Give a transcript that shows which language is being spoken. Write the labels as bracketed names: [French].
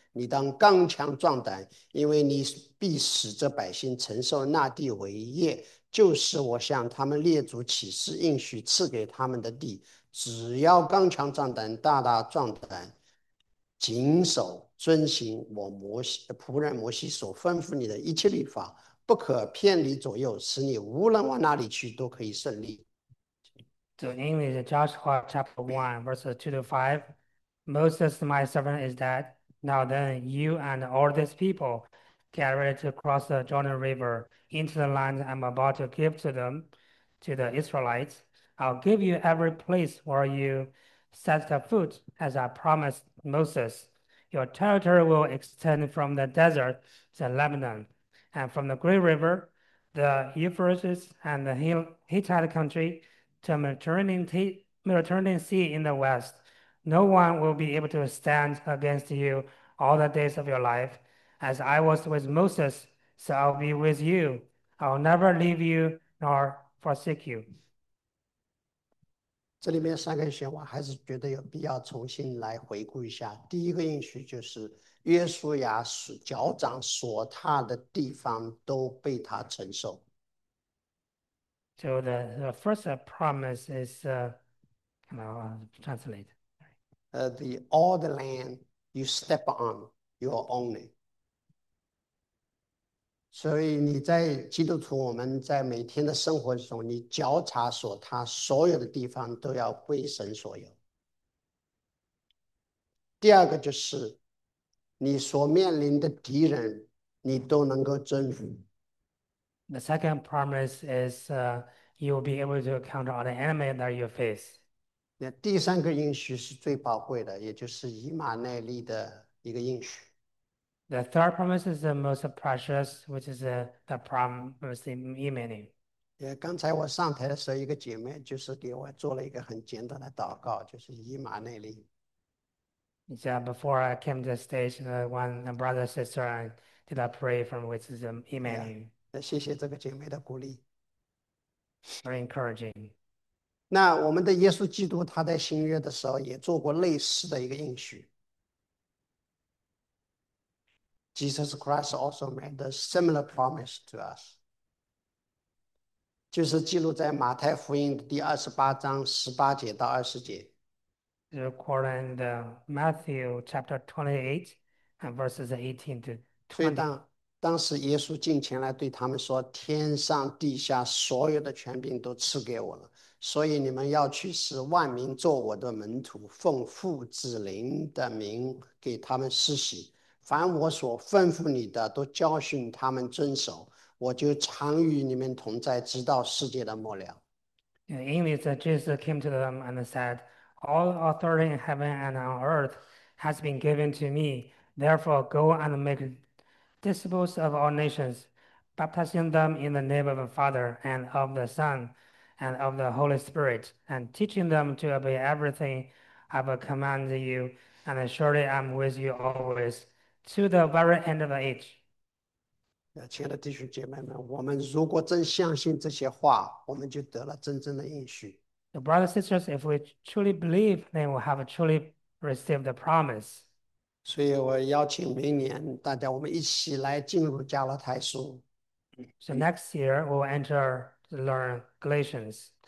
[Chinese] 你当刚强壮胆，因为你必使这百姓承受那地为业，就是我向他们列祖起誓应许赐给他们的地。只要刚强壮胆，大大壮胆，谨守遵行我摩西仆人摩西所吩咐你的一切律法，不可偏离左右，使你无论往哪里去都可以顺利。 [English] So in English, Joshua chapter 1, verses 2 to 5, Moses, my servant, is dead. Now then, you and all these people get ready to cross the Jordan River into the land I'm about to give to them, to the Israelites. I'll give you every place where you set the foot, as I promised Moses. Your territory will extend from the desert to Lebanon, and from the great river, the Euphrates, and the Hittite country, to a Mediterranean Sea in the west. No one will be able to stand against you all the days of your life. As I was with Moses, so I'll be with you. I'll never leave you nor forsake you. [Chinese] 这里面3个应许，我还是觉得有必要重新来回顾一下。第一个应许就是约书亚脚掌所踏的地方都被他承受。 [English] So the first promise is, translate. All the land you step on, you own it. [Chinese] 所以你在基督徒，我们在每天的生活中，你脚踏所踏所有的地方都要归神所有。第二个就是，你所面临的敌人，你都能够征服。 [English] The second promise is you will be able to counter all the enemy that you face. [Chinese] 那第三个应许是最宝贵的，也就是以马内利的一个应许。 [English] The third promise is the most precious, which is the promise in many. [Chinese] 也刚才我上台的时候，一个姐妹就是给我做了一个很简单的祷告，就是以马内利。 [English] Yeah, before I came to the stage, one brother sister and did a pray from which is 呀， many. [Chinese] 那谢谢这个姐妹的鼓励。 [English] Very encouraging. [Chinese] 那我们的耶稣基督他在新约的时候也做过类似的一个应许。 [English] Jesus Christ also made a similar promise to us。 [Chinese] 就是记录在马太福音的第28章18节到20节。 [English] According to Matthew chapter 28 and verses 18 to [Chinese] 所以 [English] 20. [Chinese] 当时耶稣近前来对他们说：“天上地下所有的权柄都赐给我了，所以你们要去使万民做我的门徒，奉父、子、灵的名给他们施洗。凡我所吩咐你的，都教训他们遵守。” 我就常与你们同在，直到世界的末了。 [English] In English, Jesus came to them and said, "All authority in heaven and on earth has been given to me. Therefore, go and make disciples of all nations, baptizing them in the name of the Father and of the Son and of the Holy Spirit, and teaching them to obey everything I have commanded you. And surely I'm with you always, to the very end of the age." [Chinese] 亲爱的弟兄姐妹们，我们如果真相信这些话，我们就得了真正的应许。 [English] The brothers and sisters, if we truly believe, then we have truly received the promise. [Chinese] 所以我邀请明年大家，我们一起来进入加勒太书。 [English] So next year, we'll enter to learn Galatians.